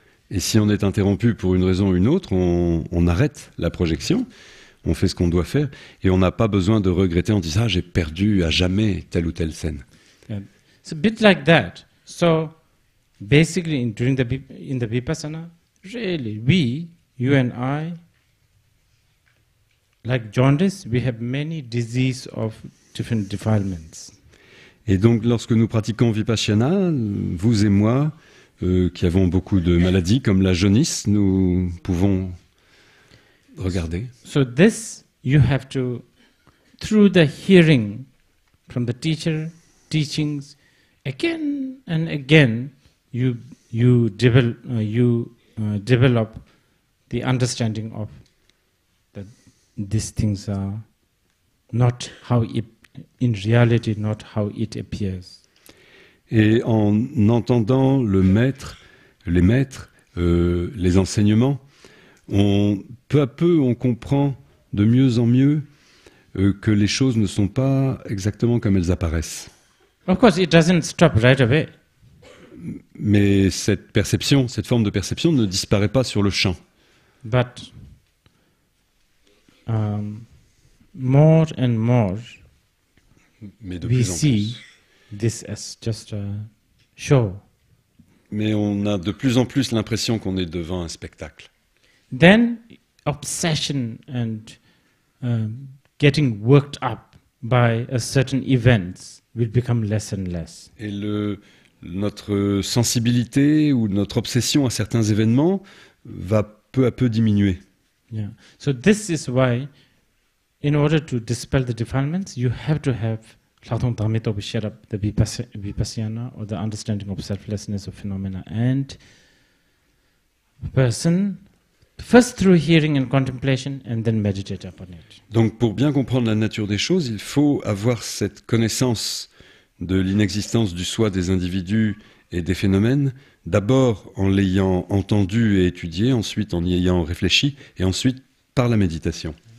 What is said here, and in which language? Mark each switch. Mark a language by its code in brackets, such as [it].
[fr] Et si on est interrompu pour une raison ou une autre, on arrête la projection, on fait ce qu'on doit faire, et on n'a pas besoin de regretter en disant « Ah, j'ai perdu à jamais telle ou telle scène. » C'est un peu comme ça. Donc, basiquement, durant la vipassana, vraiment, nous, vous et moi, comme jaundice, nous avons beaucoup de maladies de différents défilements. Et donc, lorsque nous pratiquons vipassana, vous et moi, qui avons beaucoup de maladies comme la jaunisse, nous pouvons regarder. [en] So this you have to, through the hearing from the teacher teachings, again and again, you develop the understanding of that these things are not how it, in reality, not how it appears. [fr] Et en entendant le maître, les maîtres, les enseignements, on, peu à peu, on comprend de mieux en mieux que les choses ne sont pas exactement comme elles apparaissent. [en] Of course, it doesn't stop right away. [fr] Mais cette perception, cette forme de perception ne disparaît pas sur le champ. [en] But more and more, [fr] mais de plus en plus. [en] This is just a show. [fr] Mais on a de plus en plus l'impression qu'on est devant un spectacle. [en] Then obsession and getting worked up by a certain event will become less and less. [fr] Et notre sensibilité ou notre obsession à certains événements va peu à peu diminuer. [en] Yeah. So this is why, in order to dispel the defilements, you have to have the vipassana, or the understanding of selflessness of phenomena and person, first through hearing and contemplation, and then meditate upon it. [fr] Donc, pour bien comprendre la nature des choses, il faut avoir cette connaissance de l'inexistence du soi des individus et des phénomènes, d'abord en l'ayant entendu et étudié, ensuite en y ayant réfléchi, et ensuite par la méditation.